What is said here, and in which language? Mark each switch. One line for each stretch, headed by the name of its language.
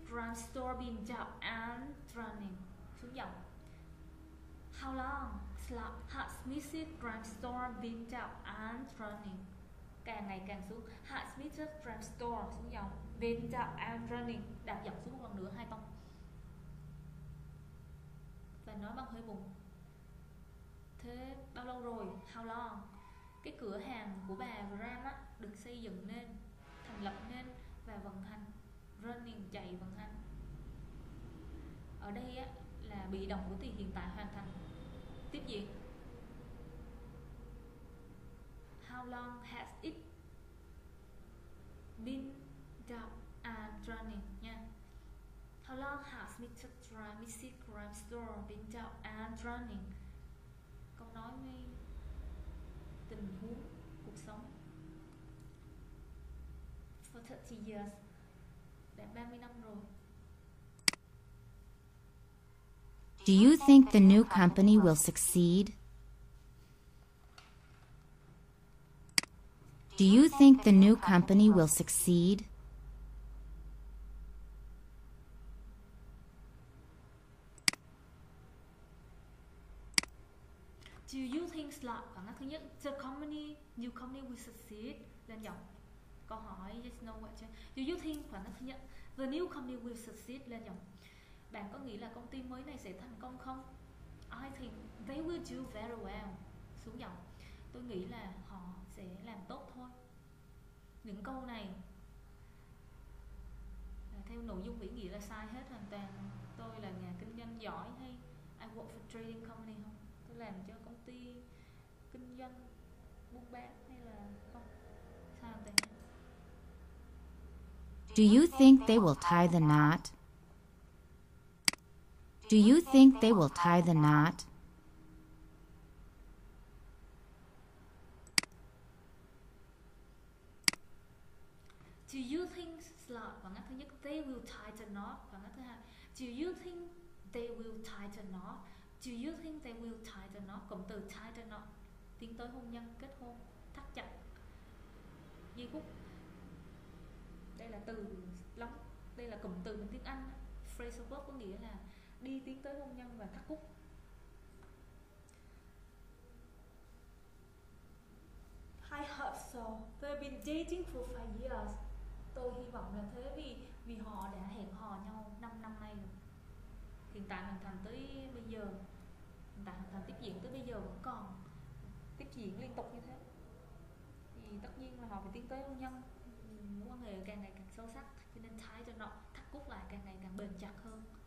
English: Graham's store been up and running?
Vietnamese: Xuống giọng.
English: How long? Has Mrs. Graham's store been up and running?
Vietnamese: Càng ngày càng xuống.
English: Has Mrs. Graham's store
Vietnamese: xuống giọng.
English: Been up and running.
Vietnamese: Đạp giọng xuống một lần nữa hai tông. Và nói bằng hơi bụng. Thế bao lâu rồi?
English: How long?
Vietnamese: Cái cửa hàng của bà Graham á được xây dựng nên, thành lập nên. Và vận hành running chạy vận hành ở đây á, là bị động của từ hiện tại hoàn thành tiếp diễn
English: how long has it been up and running
Vietnamese: nha
English: how long has Mrs. Graham's store been up and running
Vietnamese: câu nói ngay tình huống cuộc sống
English: For 30 years,
Vietnamese: đã 30 năm rồi.
English: Do you think the new company will succeed? Do you think the new company will succeed? Do you think slot
Vietnamese: khoảng cách thứ nhất,
English: the company, new company will succeed?
Vietnamese: Lên giọng. Câu hỏi
English: yes no question. Do you think
Vietnamese: khoảng cách thứ nhất
English: the new company will succeed
Vietnamese: lên giọng. Bạn có nghĩ là công ty mới này sẽ thành công không?
English: I think they will do very well.
Vietnamese: Xuống giọng. Tôi nghĩ là họ sẽ làm tốt thôi. Những câu này theo nội dung ý nghĩa là sai hết hoàn toàn. Tôi là nhà kinh doanh giỏi hay
English: I work for trading company
Vietnamese: không? Tôi làm cho công ty kinh doanh buôn bán hay là không? Sai hoàn toàn.
English: Do you think they will tie the knot? Do you think they will tie the knot? Do you think slot
Vietnamese: và ngắt thứ nhất
English: they will tie the knot
Vietnamese: và ngắt thứ hai
English: Do you think they will tie the knot? Do you think they will tie the knot?
Vietnamese: Cụm từ
English: tie the knot
Vietnamese: tiến tới hôn nhân kết hôn thắt chặt. Dây cúc. Đây là từ lắm, đây là cụm từ bằng tiếng Anh phrasal verb có nghĩa là đi tiến tới hôn nhân và thắt cúc.
English: I hope so. They've been dating for 5 years.
Vietnamese: Tôi hy vọng là thế vì họ đã hẹn hò nhau 5 năm nay rồi. Hiện tại hoàn thành tới bây giờ làm tiếp diễn tới bây giờ vẫn còn tiếp diễn liên tục như thế, thì tất nhiên là họ phải tiến tới hôn nhân, mối quan hệ càng ngày càng sâu sắc, cho nên thắt cho nó thắt cút lại càng ngày càng bền chặt hơn.